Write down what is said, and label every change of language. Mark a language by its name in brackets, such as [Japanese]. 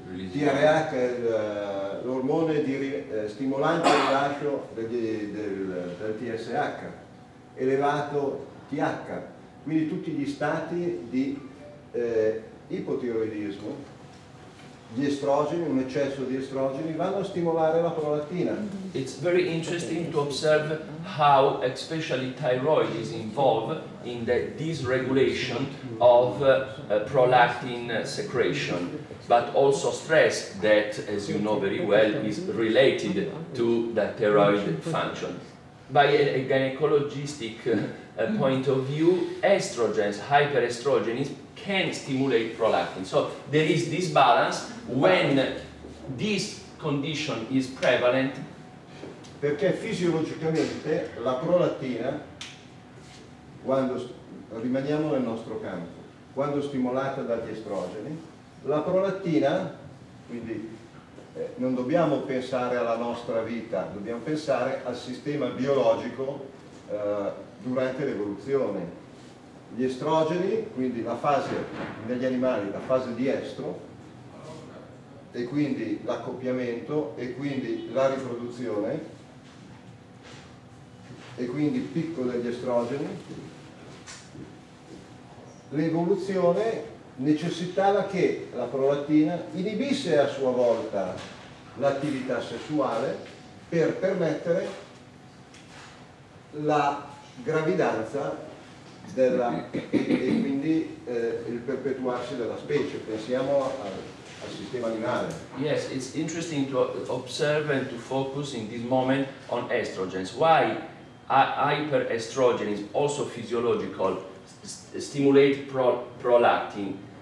[Italian] TRH è l'ormone di stimolante rilascio del TSH, elevato TH, quindi tutti gli stati di ipotiroidismo, gli estrogeni, un eccesso di estrogeni, vanno a stimolare la prolattina. [English] It's very interesting to observe how especially thyroid is involved in the dysregulation of prolactin secretion, but also stress that, as you know very well, is related to the thyroid function. By a gynecologistic point of view, estrogens, hyperestrogens, can stimulate prolactin. So there is this balance when this condition is prevalent. [Italian] Perché fisiologicamente la prolattina, quando rimaniamo nel nostro campo, quando stimolata dagli estrogeni, la prolattina, quindi non dobbiamo pensare alla nostra vita, dobbiamo pensare al sistema biologico durante l'evoluzione. Gli estrogeni, quindi la fase negli animali, la fase di estro, e quindi l'accoppiamento, e quindi la riproduzione, e quindi picco degli estrogeni, l'evoluzione necessitava che la prolattina inibisse a sua volta l'attività sessuale per permettere la gravidanza della, e quindi il perpetuarsi della specie. Pensiamo al sistema animale. [English] Yes, it's interesting to observe and to focus in this moment on estrogens. Why hyperestrogens, also physiological, stimulate prolactin?